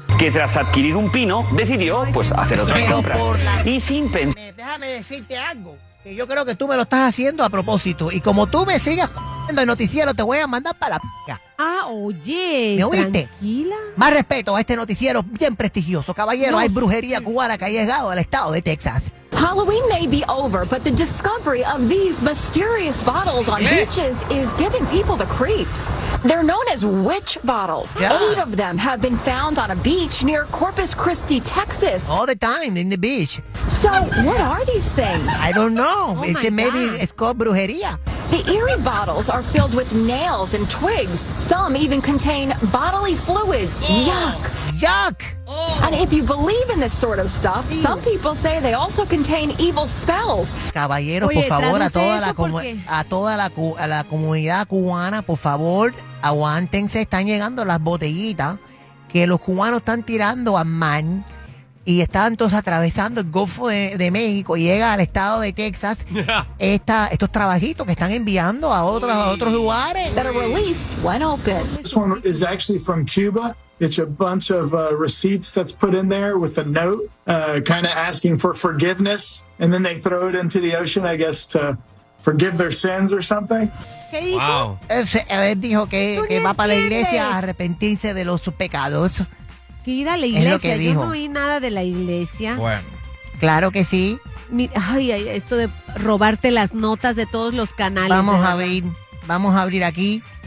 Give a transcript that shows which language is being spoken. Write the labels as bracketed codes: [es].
[es] Que tras adquirir un pino decidió, pues, hacer otras compras. Y sin pensar... Déjame decirte algo. que yo creo que tú me lo estás haciendo a propósito. Y como tú me sigas jodiendo el noticiero, te voy a mandar para la p***a. Ah, oye, ¿me oíste? Tranquila. Más respeto a este noticiero bien prestigioso, caballero. No. Hay brujería cubana que ha llegado al estado de Texas. [en] Halloween may be over, but the discovery of these mysterious bottles on beaches is giving people the creeps. They're known as witch bottles. Yeah. 8 of them have been found on a beach near Corpus Christi, Texas. All the time in the beach. So, what are these things? I don't know. Oh, is it maybe God. It's called brujería? The eerie bottles are filled with nails and twigs. Some even contain bodily fluids. Oh. Yuck. Yuck. And if you believe in this sort of stuff, some people say they also contain evil spells. [es] Caballeros, por favor, a la comunidad cubana, por favor, aguántense. Están llegando las botellitas que los cubanos están tirando a man y están todos atravesando el Golfo de México. Llega al estado de Texas estos trabajitos que están enviando a otros lugares. [en] That are released when open. This one is actually from Cuba. It's a bunch of receipts that's put in there with a note kind of asking for forgiveness. And then they throw it into the ocean, I guess, to forgive their sins or something. Wow. [es] Él dijo que va para la iglesia a arrepentirse de los pecados. Que ir a la iglesia. Es lo que dijo. Yo no vi nada de la iglesia. Bueno. Claro que sí. Ay, esto de robarte las notas de todos los canales. Vamos a abrir aquí.